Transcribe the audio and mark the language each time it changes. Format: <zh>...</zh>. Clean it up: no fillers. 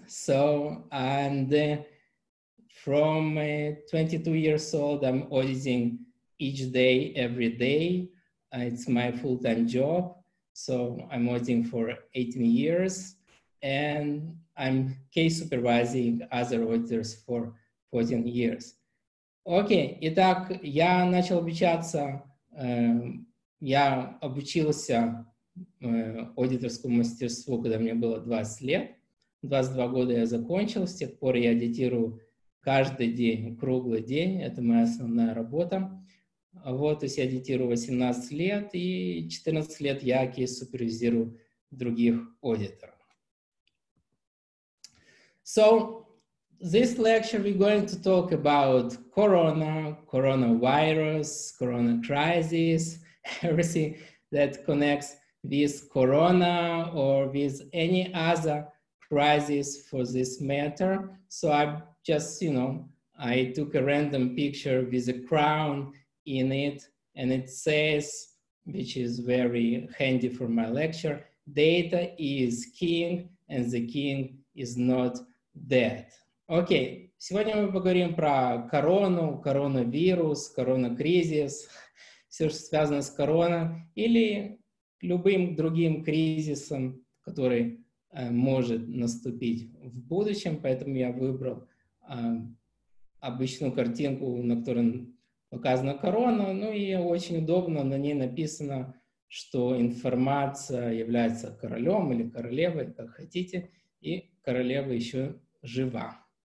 <en>So, and from 22 years old, I'm auditing each day, every day. It's my full-time job. So I'm auditing for 18 years and I'm case supervising other auditors for 14 years.</en> <ru>Окей, итак, я начал обучаться, я обучился аудиторскому мастерству, когда мне было 20 лет. 22 года я закончил, с тех пор я аудитирую каждый день, круглый день, это моя основная работа. Вот, то есть я аудитирую 18 лет, и 14 лет я кейс-супервизирую других аудиторов.</ru> <en>So, this lecture we're going to talk about Corona, coronavirus, Corona crisis, everything that connects with Corona or with any other crisis for this matter. So I just, you know, I took a random picture with a crown in it and it says, which is very handy for my lecture, data is king and the king is not dead.</en> <ru>Окей, сегодня мы поговорим про корону, коронавирус, коронакризис, все, что связано с короной, или любым другим кризисом, который может наступить в будущем. Поэтому я выбрал обычную картинку, на которой показана корона, ну и очень удобно, на ней написано, что информация является королем или королевой, как хотите, и королева еще жива.</ru>